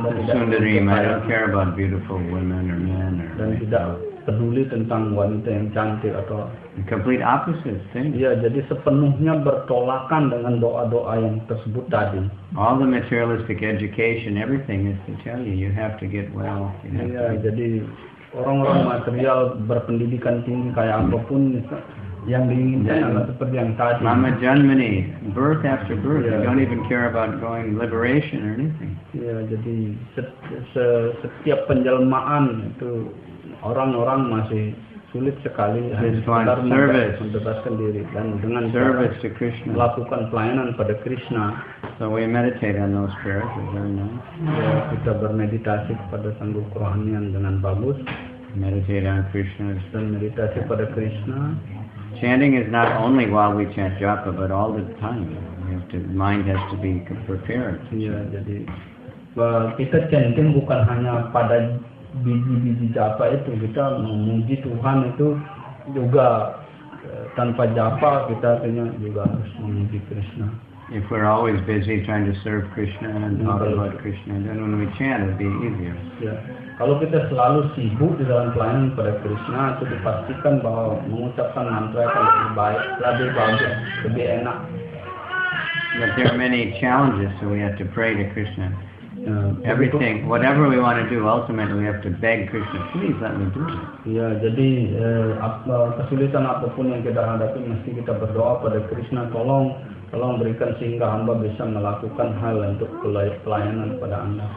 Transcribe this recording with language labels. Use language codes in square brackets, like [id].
[en] Sundari, I don't care about beautiful women or men or [id] dan tidak peduli tentang wanita yang cantik atau [en] complete opposite thing. [id] Ya, jadi sepenuhnya bertolakan dengan doa-doa yang tersebut tadi. [en] All the materialistic education, everything is to tell you you have to get well. [id] Ya, jadi orang-orang material berpendidikan tinggi kayak apapun yang diinginkan adalah seperti yang tadi. [en] Mama Janmani, birth after birth, yeah. You don't even care about going liberation or anything. [id] Ya, jadi setiap penjelmaan itu orang-orang masih sulit sekali membebaskan diri dan dengan [en] service to Krishna, [id] melakukan pelayanan pada Krishna. [en] So we meditate on those spirits, is very nice. [id] Yeah, kita bermeditasi kepada sang guru kerohanian dengan bagus. [en] Meditate on Krishna. [id] Dan meditasi pada Krishna. [en] Chanting is not only while we chant japa, but all the time. We have to, mind has to be prepared. [id] Yeah, jadi kita chanting bukan hanya pada biji-biji japa itu, kita memuji Tuhan itu juga tanpa japa kita punya juga harus memuji Krishna. [en] If we're always busy trying to serve Krishna and talk about Krishna, then when we chant it'll be easier. [id] Kalau kita selalu sibuk di dalam pelayanan pada Krishna, itu dipastikan bahwa mengucapkan mantra akan lebih baik, lebih bagus, lebih enak. [en] But there are many challenges, so we have to pray to Krishna. Everything, whatever we want to do, ultimately we have to beg Krishna, please let me do it. [id] Yeah, jadi kesulitan apapun yang kita hadapi, mesti kita berdoa pada Krishna, tolong, tolong berikan sehingga hamba bisa melakukan hal untuk pelayanan pada anda.